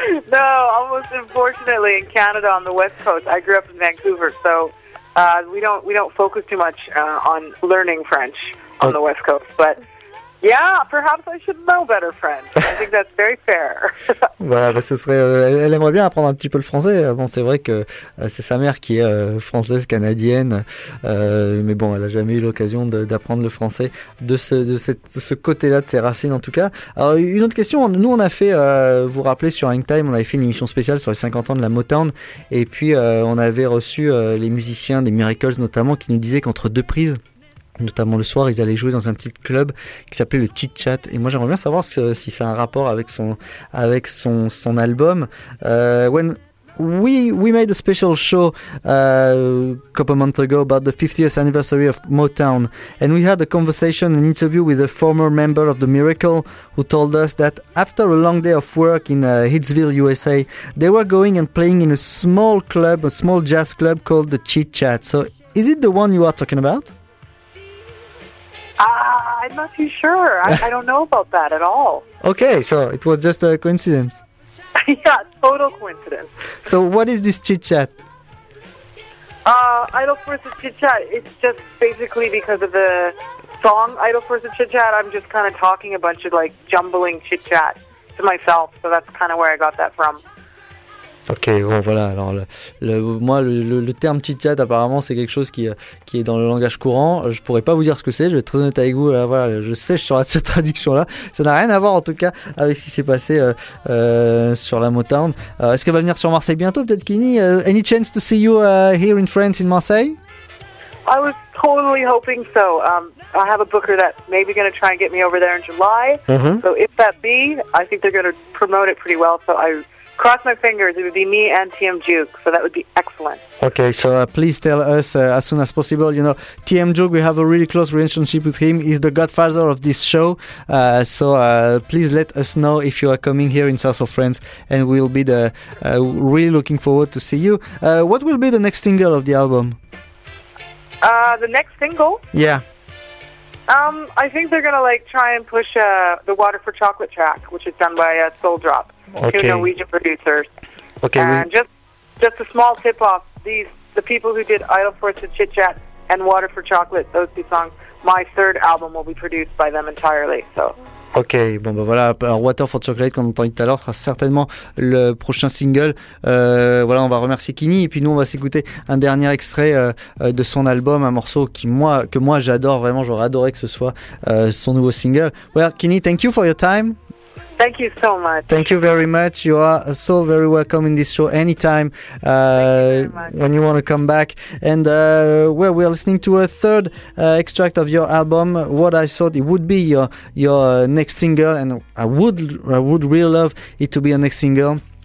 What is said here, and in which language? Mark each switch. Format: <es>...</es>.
<en>No, almost unfortunately in Canada on the West Coast. I grew up in Vancouver, so we don't focus too much on learning French on the West Coast, but yeah, perhaps I should know better French. I think that's very fair.</en> <fr>Voilà, bah ce serait, elle aimerait bien apprendre un petit peu le français. Bon, c'est vrai que c'est sa mère qui est française canadienne, mais bon, elle a jamais eu l'occasion d'apprendre le français de ce côté-là de ses racines en tout cas. Alors, une autre question, nous on a fait, vous rappelez, sur Hangtime, on avait fait une émission spéciale sur les 50 ans de la Motown, et puis on avait reçu les musiciens des Miracles notamment, qui nous disaient qu'entre deux prises, notamment le soir, ils allaient jouer dans un petit club qui s'appelait le Chit Chat. Et moi, j'aimerais bien savoir si ça a un rapport avec son album.</fr> <en>When we made a special show a couple months ago about the 50th anniversary of Motown, and we had a conversation, an interview with a former member of the Miracle, who told us that after a long day of work in Hitsville, USA, they were going and playing in a small club, a small jazz club called the Chit Chat. So, is it the one you are talking about? I'm not too sure. I don't know about that at all. Okay, so it was just a coincidence. Yeah, total coincidence. So what is this Chit Chat? Idle for the Chit Chat, it's just basically because of the song Idle for the Chit Chat, I'm just kind of talking a bunch of like jumbling chit chat to myself, so that's kind of where I got that from.</en> <fr>Ok, bon voilà, alors le terme chit-chat apparemment c'est quelque chose qui est dans le langage courant, je pourrais pas vous dire ce que c'est, je vais être très honnête avec vous, là, voilà, je sèche sur cette traduction-là, ça n'a rien à voir en tout cas avec ce qui s'est passé sur la Motown. Est-ce qu'elle va venir sur Marseille bientôt peut-être, Kini?</fr> <en>Any chance to see you here in France, in Marseille? I was totally hoping so. I have a booker that's maybe going to try and get me over there in July, so if that be, I think they're going to promote it pretty well, so I... Cross my fingers, it would be me and TM Juke, so that would be excellent. Okay, so please tell us as soon as possible. You know, TM Juke, we have a really close relationship with him. He's the godfather of this show. So please let us know if you are coming here in South of France, and we'll be the really looking forward to see you. What will be the next single of the album? The next single? Yeah. I think they're going to like try and push the Water for Chocolate track, which is done by Soul Drop. Okay. Two Norwegian producers. Okay. And just a small tip off, the people who did Idle Force and Chit Chat and Water for Chocolate, those two songs, my third album will be produced by them entirely. So.</en> <fr>Ok, bon ben voilà, alors Water for Chocolate qu'on a entendu tout à l'heure sera certainement le prochain single, voilà, on va remercier Kini et puis nous on va s'écouter un dernier extrait de son album, un morceau que moi j'adore vraiment, j'aurais adoré que ce soit son nouveau single.</fr> <en>Well, Kini, thank you for your time. Thank you so much. Thank you very much. You are so very welcome in this show anytime. When you want to come back. And well, we are listening to a third extract of your album. What I thought it would be your next single, and I would really love it to be your next single.</en>